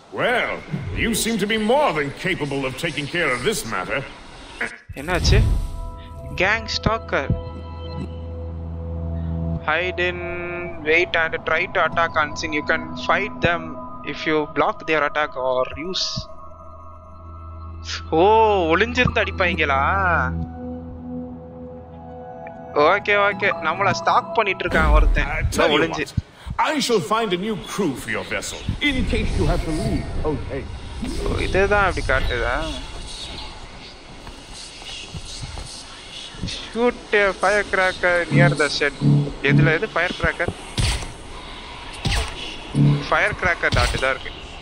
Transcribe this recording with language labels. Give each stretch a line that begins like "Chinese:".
English: Well, you seem to be more than capable of taking care of this matter. Enache? Gang stalker. Hide in, wait and try to attack unseen. You can fight them if you block their attack or use...
Tamil: O ஒளிஞ்சிருந்து அடிப்பாங்களா okay okay நம்மள stock பண்ணிட்டு இருக்காங்க ஒருத்தன் ஒளிஞ்சு
English: I shall find a new crew for your vessel in case you have to leave okay
Tamil: இதேதான் அப்படி காட்டுதா
English: shoot fire cracker near the shed
Tamil: எதுல எது fire cracker fire cracker dot இதா இருக்கு